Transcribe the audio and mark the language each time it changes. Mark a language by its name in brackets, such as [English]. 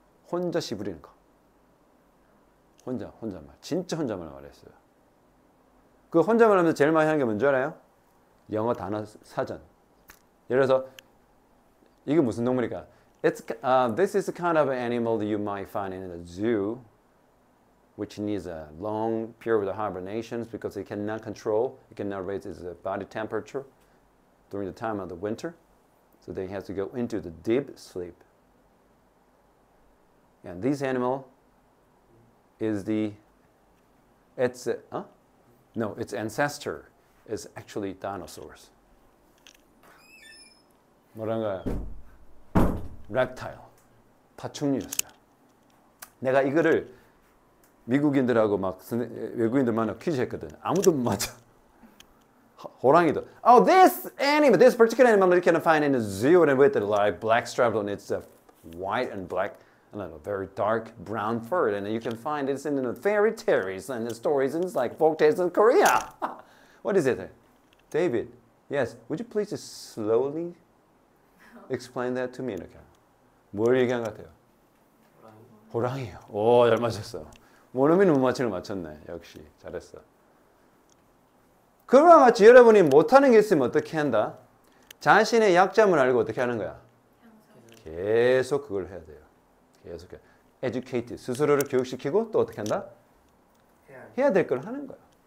[Korean] 혼자 시부리는 거. 혼자 말. 진짜 혼자말 말했어요. 그 혼자말 하면서 제일 많이 하는 게 뭔지 알아요? 영어 단어 사전. 예를 들어서 이게 무슨 동물일까? [English] This is the kind of animal that you might find in a zoo, which needs a long period of hibernation because it cannot control, it cannot raise its body temperature. During the time of the winter, so they have to go into the deep sleep. And this animal is the, it's, no, its ancestor is actually dinosaurs. [Korean] 뭐라는가요? Reptile, 파충류였어요. 내가 이거를 미국인들하고 막 외국인들 만나 퀴즈 했거든. 아무도 못 맞아. 호랑이도. [English] Oh, this animal, this particular animal you can find in a zoo and with a like black stripe on its white and black, I don't know, very dark brown fur. And you can find it in the fairy tales and the stories in like folk tales in Korea. What is it? David, yes, would you please just slowly explain that to me? [Korean] 이렇게. 뭘 얘기한 것 같아요? 호랑이. 호랑이요. 오, 잘 맞췄어. 모르면 못 맞추는 거 맞췄네. 역시. 잘했어. 그와 같이 여러분이 못하는 게 있으면 어떻게 한다? 자신의 약점을 알고 어떻게 하는 거야? 계속 그걸 해야 돼요. 계속 educate, 스스로를 교육시키고 또 어떻게 한다? 해야 될 걸 하는 거야.